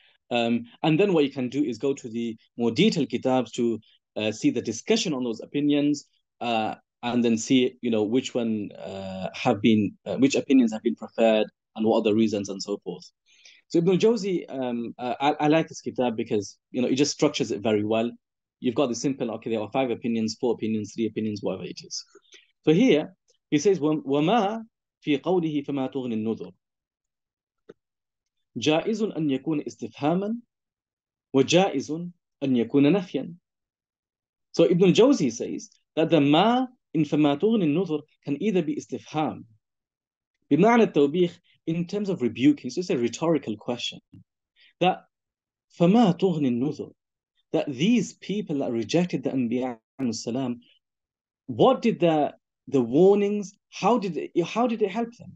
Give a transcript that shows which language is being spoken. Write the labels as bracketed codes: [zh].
[en] And then what you can do is go to the more detailed kitabs to see the discussion on those opinions, and then see, you know, which one have been, which opinions have been preferred, and what are the reasons, and so forth. So Ibn al-Jawzi, I like this kitab because, you know, it just structures it very well. You've got the simple, okay, there are five opinions, four opinions, three opinions, whatever it is. [ar] So here, he says, وَمَا فِي قَوْلِهِ فَمَا تُغْنِ النُّذُرُ جَائِزٌ أَن يَكُونَ إِسْتِفْهَامًا وَجَائِزٌ أَن يَكُونَ نَفْيًا. [en] So Ibn al-Jawzi says that the ma in فَمَا تُغْنِ النُّذُرُ can either be istifham, [ar] بِمَعْنَى التَّوْبِيخِ, [en] in terms of rebuking. So it's a rhetorical question. That فَمَا تُغْنِ النُّذُرُ, that these people that rejected the Anbiya alayhi salam, what did the warnings, how did it help them?